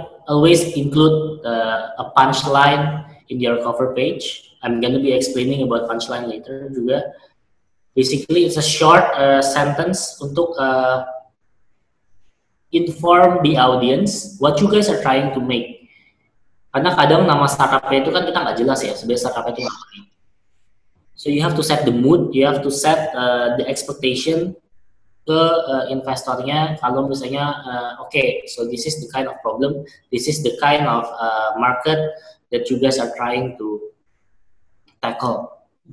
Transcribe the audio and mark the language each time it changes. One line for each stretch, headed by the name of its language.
English: always include a punchline in your cover page. I'm going to be explaining about punchline later
Indonesian: juga.
English: Basically, it's a short sentence
Indonesian: untuk
English: inform the audience what you guys are trying to make.
Indonesian: Karena kadang nama startupnya itu kan kita nggak jelas ya, sebenarnya startupnya itu ngapain.
English: So you have to set the mood, you have to set the expectation
Indonesian: ke investornya. Kalau misalnya,
English: so this is the kind of problem, this is the kind of market that you guys are trying to tackle.